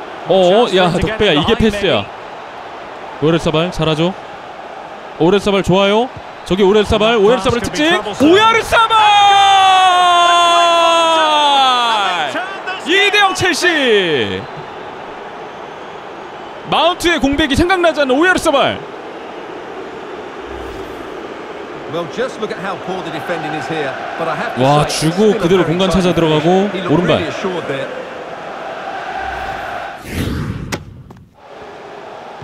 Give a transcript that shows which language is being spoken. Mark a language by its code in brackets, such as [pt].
[ko] 어, 야, 덕배야, 이게 패스야. 오열사발 잘하죠. 오열사발 좋아요. 저기 오열사발, 오열사발 특징 오열사발! 2대0 첼시! 마운트의 공백이 생각나지 않는 오열사발. [en] Well, just look at how poor the defending is here. But I have to say, [ko] 와, 주고 그대로 공간 찾아 들어가고 오른발. 오! 우와!